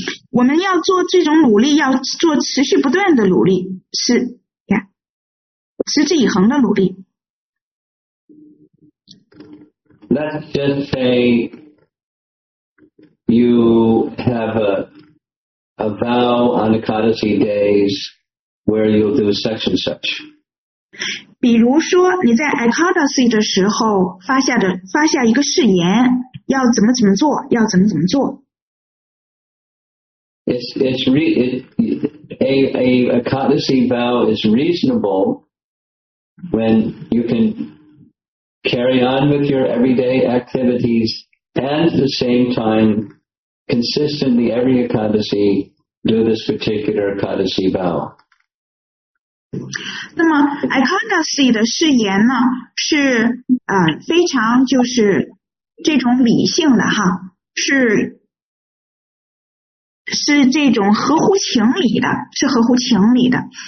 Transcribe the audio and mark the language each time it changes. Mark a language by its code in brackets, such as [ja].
[zh] 我们要做这种努力，要做持续不断的努力，是呀，持之以恒的努力。 [en] Let's just say you have a vow on the Kadasi days where you'll do such and such. [zh] 比如说你在 Ekadasi 的时候发下一个誓言，要怎么怎么做，要怎么怎么做。 [en] A Ekadasi vow is reasonable when you can carry on with your everyday activities and at the same time consistently every Ekadasi do this particular Ekadasi vow. [zh] 那么 Ekadasi 的誓言呢是非常就是这种理性的哈，是这种合乎情理的，是合乎情理的。